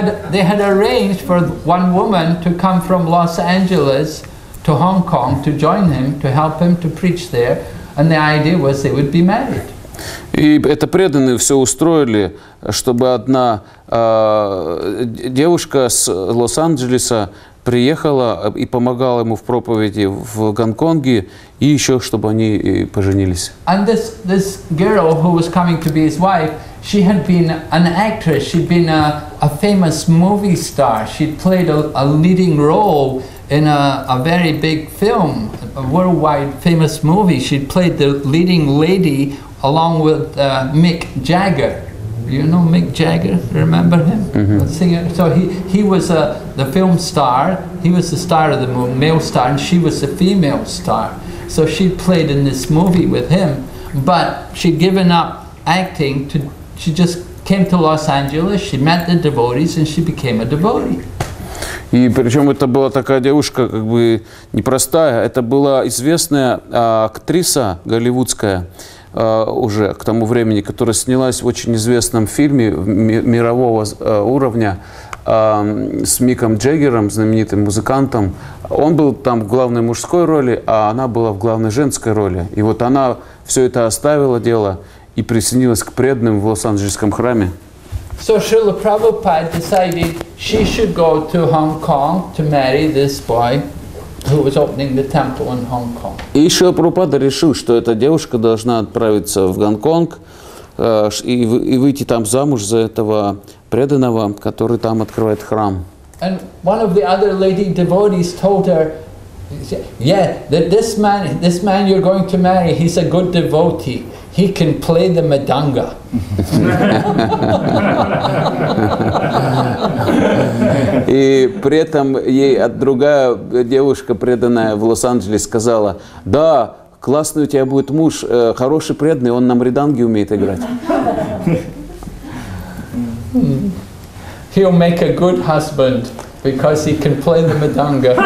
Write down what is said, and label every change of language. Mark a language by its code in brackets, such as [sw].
[en] They had arranged for one woman to come from Los Angeles to Hong Kong to join him, to help him to preach there, and the idea was they would be married. [ru] И это преданные все устроили, чтобы одна девушка с Лос-Анджелеса приехала и помогала ему в проповеди в Гонконге, и еще чтобы они поженились. [en] And this girl who was coming to be his wife, she had been an actress, she'd been a famous movie star, she'd played a leading role in a very big film, a worldwide famous movie. She'd played the leading lady along with Mick Jagger. You know Mick Jagger? Remember him? Mm-hmm. The singer. So he was the film star. He was the star of the movie, male star, and she was the female star. So she played in this movie with him, but she'd given up acting. She just came to Los Angeles. She met the devotees, and she became a devotee. [ru] И причем это была такая девушка, как бы непростая. Это была известная актриса голливудская. Уже к тому времени, которая снялась в очень известном фильме мирового уровня с Миком Джаггером, знаменитым музыкантом. Он был там в главной мужской роли, а она была в главной женской роли. И вот она все это оставила дело и присоединилась к преданным в Лос-Анджелесском храме. [en] So Srila Prabhupada decided she should go to Hong Kong to marry this boy who was opening the temple in Hong Kong. [ru] И Шрила Прабхупада решил, что эта девушка должна отправиться в Гонконг и выйти там замуж за этого преданного, который там открывает храм. [en] And one of the other lady devotees told her, "Yeah, that this man you're going to marry, he's a good devotee. He can play the madanga." [ru] И при этом ей другая девушка преданная в Лос-Анджелесе сказала: "Да, классный у тебя будет муж, хороший преданный, он на мриданге умеет играть." [en] He'll make a good husband because he can play the madanga.